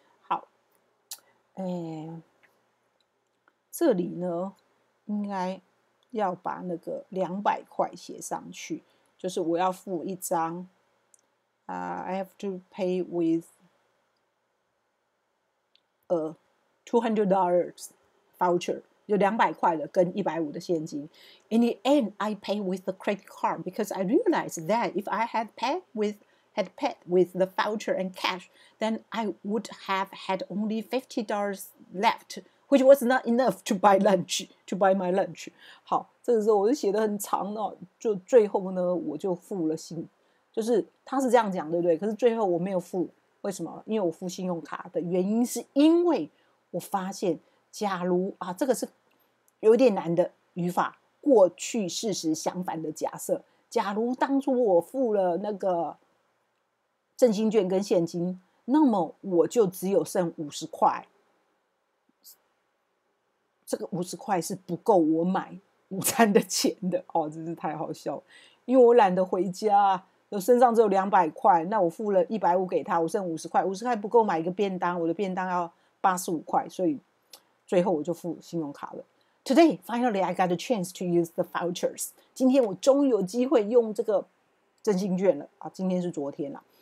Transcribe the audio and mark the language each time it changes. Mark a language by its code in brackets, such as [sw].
[zh] 好，这里呢应该要把那个$200写上去，就是我要付一张 [en] I have to pay with $200 voucher， [zh] 有$200的跟150的现金。 [en] In the end I pay with the credit card because I realized that if I had paid withhad paid with the voucher and cash, then I would have had only $50 left, which was not enough to buy lunch, to buy my lunch. [zh] 好，这个时候我就写得很长哦，就最后呢，我就付了信，就是他是这样讲，对不对？可是最后我没有付，为什么？因为我付信用卡的原因是因为我发现假如啊，这个是有点难的语法，过去事实相反的假设。假如当初我付了那个振兴券跟现金，那么我就只有剩50块。这个50块是不够我买午餐的钱的哦，真是太好笑了。因为我懒得回家，我身上只有200块，那我付了150给他，我剩50块，50块不够买一个便当，我的便当要85块，所以最后我就付信用卡了。 [en] Today, finally, I got a chance to use the vouchers. [zh] 今天我终于有机会用这个振兴券了、啊、今天是昨天了。